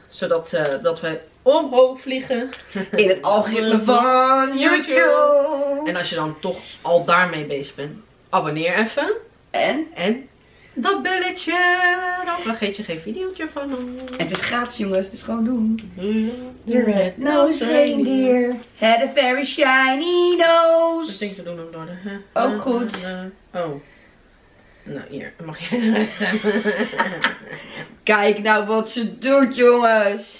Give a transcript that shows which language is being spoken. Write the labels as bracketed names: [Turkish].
[Dutch] Zodat wij omhoog vliegen. In het algoritme van YouTube. En als je dan toch al daarmee bezig bent, abonneer even. En? Dat belletje, dan vergeet je geen video'tje van ons. Het is gratis jongens, het is gewoon doen. [English] The red nose reindeer had a very shiny nose. [Dutch] Dat ding te doen om door de... Ook goed. Oh. Nou hier, mag jij de rest hebben. Kijk nou wat ze doet jongens.